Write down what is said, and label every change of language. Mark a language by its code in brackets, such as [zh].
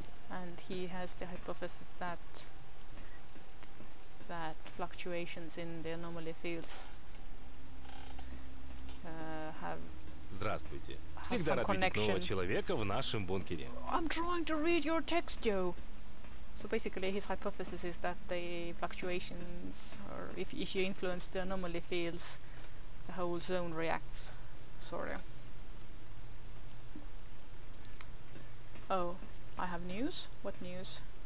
[en] And he has the hypothesis that fluctuations in the anomaly fields have. [ru] Здравствуйте. Всегда рад видеть нового человека в нашем бункере. [en] I'm trying to read your text, yo. So basically, his hypothesis is that the fluctuations, or if you influence the anomaly fields, the whole zone reacts. Sorry. Oh, I have news. What news?